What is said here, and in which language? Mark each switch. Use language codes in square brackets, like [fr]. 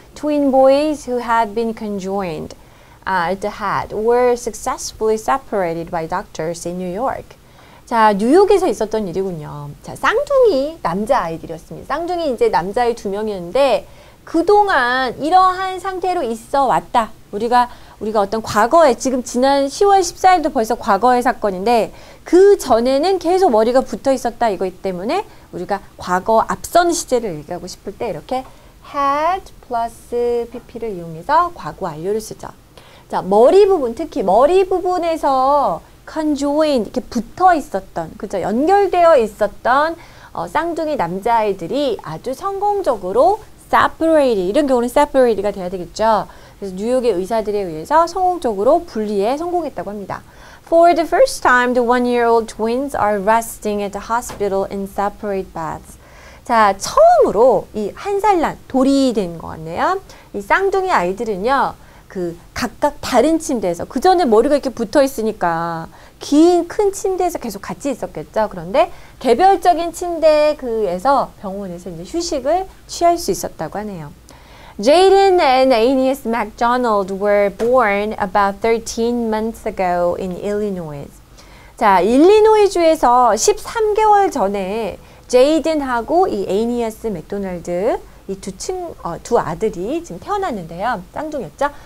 [en] Twin boys who had been conjoined at the head were successfully separated by doctors in New York. [ko] 자, 뉴욕에서 있었던 일이군요. 자, 쌍둥이 남자아이들이었습니다. 쌍둥이 이제 남자아이 두 명이었는데 그동안 이러한 상태로 있어 왔다. 우리가 어떤 과거에 지금 지난 10월 14일도 벌써 과거의 사건인데 그 전에는 계속 머리가 붙어 있었다 이거 때문에 우리가 과거 앞선 시제를 얘기하고 싶을 때 이렇게 had plus pp를 이용해서 과거 완료를 쓰죠. 자, 머리 부분 특히 머리 부분에서 conjoined 이렇게 붙어 있었던 그죠? 연결되어 있었던 쌍둥이 남자아이들이 아주 성공적으로 separated 이런 경우는 separated가 돼야 되겠죠. 그래서 뉴욕의 의사들에 의해서 성공적으로 분리에 성공했다고 합니다. [en] For the first time, the one-year-old twins are resting at the hospital in separate beds. [ko] 자, 처음으로 이 한 살 난 돌이 된 것 같네요. 이 쌍둥이 아이들은요, 그 각각 다른 침대에서 그 전에 머리가 이렇게 붙어 있으니까 긴 큰 침대에서 계속 같이 있었겠죠. 그런데 개별적인 침대에서 병원에서 이제 휴식을 취할 수 있었다고 하네요. [en] Jaden and Aeneas MacDonald were born about 13 months ago in Illinois. [ko] 자, 일리노이주에서 13개월 전에 Jaden하고 이 Aeneas MacDonald 이 두 아들이 지금 태어났는데요. 쌍둥이였죠?